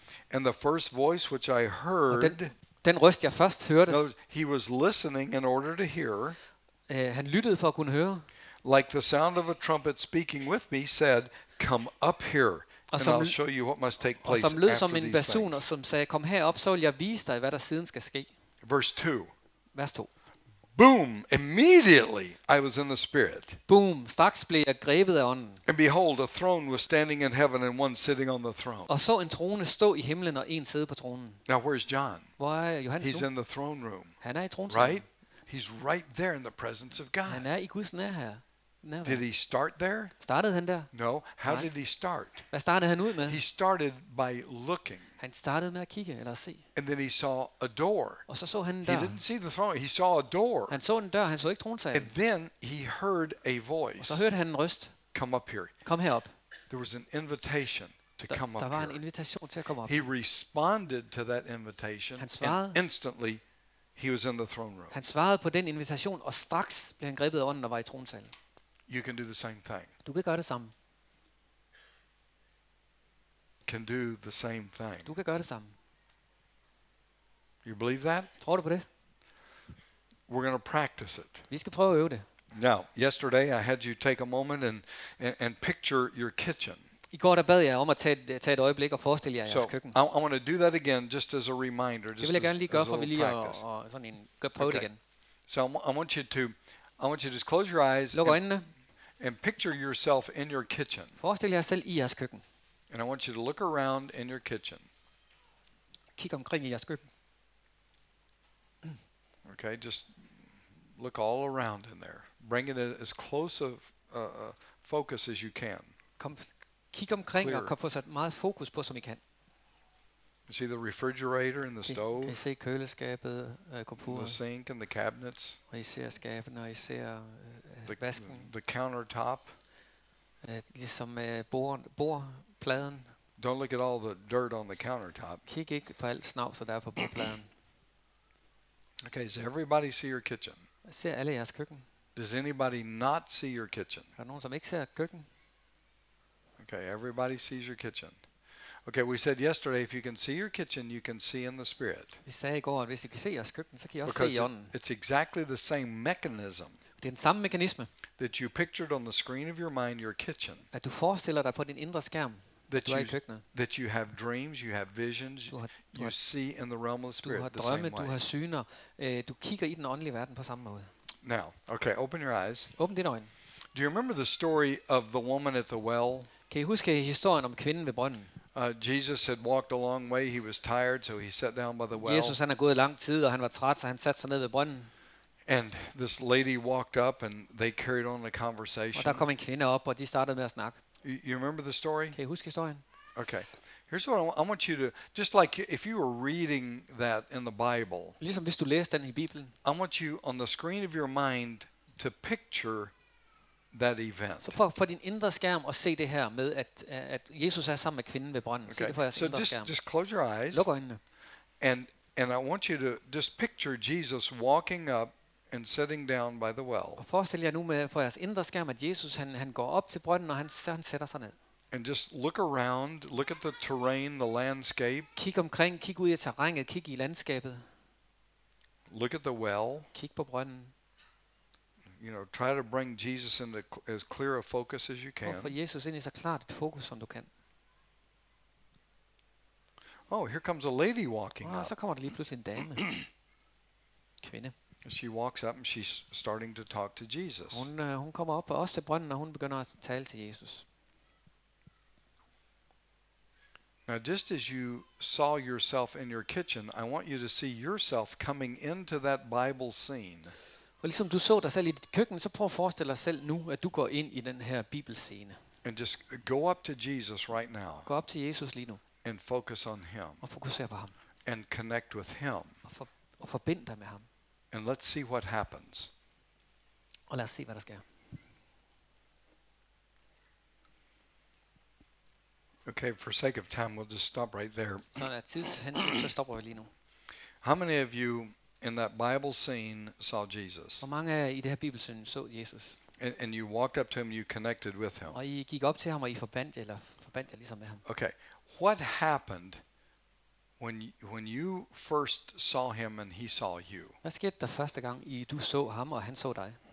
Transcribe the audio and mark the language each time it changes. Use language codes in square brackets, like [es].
[en] And the first voice which I heard. [da] Og den røst jeg først hørte. [en] No, he was listening in order to hear. [da] Han lyttede for at kunne høre. [en] Like the sound of a trumpet speaking with me said, come up here. And I'll show you what must take place. [da] Og som lød som en basun, som sagde, kom herop, så vil jeg vise dig, hvad der siden skal ske. [en] Verse 2. [da] Vers 2. [en] Boom! Immediately I was in the spirit. Boom! [da] Straks blev jeg grebet af ånden. [en] And behold, a throne was standing in heaven and one sitting on the throne. [da] Og så en trone stå i himlen og en sidde på tronen. [en] Now where's John? [da] Hvor er Johannes? [en] He's in the throne room. [da] Han er i tronsalen. [en] Right? He's right there in the presence of God. [da] Han er i Guds nærvær. [en] Did he start there? [da] Startede han der? [en] No. How did he start? [da] Hvad startede han ud med? [en] He started by looking. [da] Han startede med at kigge eller at se. [en] And then he saw a door. [da] Og så han en dør. [en] He didn't see the throne. He saw a door. [da] Han så en dør. Han så ikke tronsalen. [en] And then he heard a voice. [da] Og så hørte han en røst. [en] Come up here. [da] Kom herop. [en] There was an invitation to come up here. [da] Der var en invitation til at komme op. [en] He responded to that invitation. [da] Han svarede. [en] And instantly he was in the throne room. [da] Han svarede på den invitation og straks blev han grebet af ånden og var i tronsalen. [en] You can do the same thing. [da] Du kan gøre det samme. [en] Can do the same thing. [da] Du kan gøre det samme. [en] You believe that? [da] Tror du på det? [en] We're going to practice it. [da] Vi skal prøve at øve det. [en] Now, yesterday I had you take a moment and picture your kitchen. [da] I går der bad jeg om at tage et øjeblik og forestille jer jeres køkken. [en] I want to do that again just as a reminder. [da] Det vil jeg gerne lige gøre for vi lige og sådan en prøve okay. Det igen. [en] So I want you to just close your eyes. [da] Luk øjnene. [en] And picture yourself in your kitchen. [da] Forestil jer selv i jeres køkken. [en] And I want you to look around in your kitchen. [da] Kig omkring i jeres køkken. [en] Okay, just look all around in there. Bring it as close of focus as you can. [da] Kom, kig omkring clear. Og kom få så meget fokus på som I kan. [en] You see the refrigerator and the stove. [da] Kan I se køleskabet, komfuret. [en] The sink and the cabinets. [da] Og I ser skabene, og I ser vasken. [en] The countertop. [da] Ligesom bordpladen. [en] Don't look at all the dirt on the countertop. [da] Kig ikke på alt snavs der er på bordpladen. [en] Okay, does everybody see your kitchen? [da] Ser alle jeres køkken? [en] Does anybody not see your kitchen? [da] Er der nogen som ikke ser køkken? [en] Okay, everybody sees your kitchen. Okay, we said yesterday if you can see your kitchen, you can see in the spirit. [da] Vi sagde i går, at hvis I kan se jeres køkken, så kan I også [en] because [da] se i ånden. [en] It's exactly the same mechanism. [da] Det er den samme mekanisme. [en] That you pictured on the screen of your mind your kitchen. [da] At du forestiller dig på din indre skærm. [en] That you, that you have dreams, you have visions, you see in the realm of the spirit the same way. [da] Du har syner, du kigger i den åndelige verden på samme måde. [en] Now, okay, open your eyes. [da] Åbn dine øjne. [en] Do you remember the story of the woman at the well? [da] Kan I huske historien om kvinden ved brønden? [en] Jesus had walked a long way, he was tired, so he sat down by the well. [da] Jesus, han har gået lang tid, og han var træt, så han satte sig ned ved brønden. [en] And this lady walked up and they carried on a conversation. [da] Og der kom en kvinde op, og de startede med at snakke. [en] You remember the story? [da] Kan I huske historien? [en] Okay. Here's what I want you to, just like if you were reading that in the Bible. [da] Ligesom hvis du læste den i Bibelen. [en] I want you on the screen of your mind to picture that event. [da] Så prøv på din indre skærm at se det her med at Jesus er sammen med kvinden ved brønden. [en] Okay. [da] Se det for jeres indre skærm. [en] Just close your eyes. [da] Luk øjnene. [en] And I want you to just picture Jesus walking up and sitting down by the well. [da] Og forestil jer nu med for jeres indre skærm at Jesus han går op til brønden og han sætter sig ned. [en] And just look around, look at the terrain, the landscape. [da] Kig omkring, kig ud i terrænet, kig i landskabet. [en] Look at the well. [da] Kig på brønden. [en] You know, try to bring Jesus into as clear a focus as you can. [da] Og få Jesus ind i så klart et fokus som du kan. [en] Oh, here comes a lady walking up. [da] Så kommer der lige pludselig en dame. Kvinde. [en] She walks up and she's starting to talk to Jesus. [da] Hun kommer op også til brønden og hun begynder at tale til Jesus. [en] Now just as you saw yourself in your kitchen, I want you to see yourself coming into that Bible scene. [da] Og ligesom du så dig selv i dit køkken, så prøv at forestille dig selv nu at du går ind i den her bibelscene. [en] And just go up to Jesus right now. [da] Gå op til Jesus lige nu. [en] And focus on him. [da] Og fokuser på ham. [en] And connect with him. [da] Og forbind dig med ham. [en] And let's see what happens. [da] Og lad os se, hvad der sker. [en] Okay, for sake of time, we'll just stop right there. [da] Sådan er tidshensyn, så stopper vi lige nu. [en] How many of you in that Bible scene saw Jesus? [da] Hvor mange af jer i det her bibelsyn så Jesus? [en] And you walked up to him, you connected with him. [da] Og I gik op til ham, og I forbandt jer ligesom med ham. [en] Okay, what happened when you first saw him and he saw you? [da] Hvad skete der første gang, I du så ham, og han så dig?